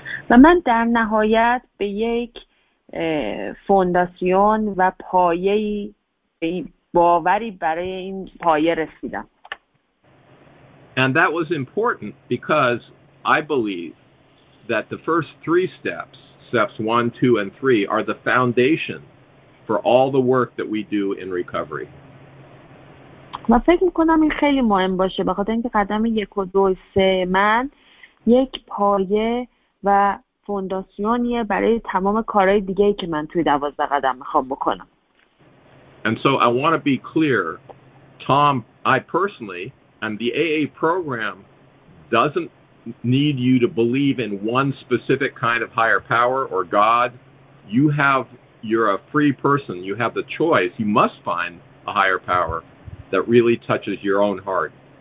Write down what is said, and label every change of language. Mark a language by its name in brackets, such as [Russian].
[Persian] و من در نهایت به یک فونداسیون و پایه‌ای به این باوری برای این پایه رسیدم. [English] And that was important because I believe that the first three steps 1, 2, and 3 are the foundation for all the work that we do in recovery. [Persian] ما فکر می‌کنم این خیلی مهم باشه بخاطر اینکه قدم 1 و 2 و 3 من یک پایه و فونداسیونیه برای تمام کارهای دیگه‌ای که من توی 12 قدم می‌خوام بکنم. [English] And so I want to be clear, Tom, I personally, and the AA program doesn't need you to believe in one specific kind of higher power or God. You have you're a free person. You have the choice. You must find a higher power that really touches your own heart.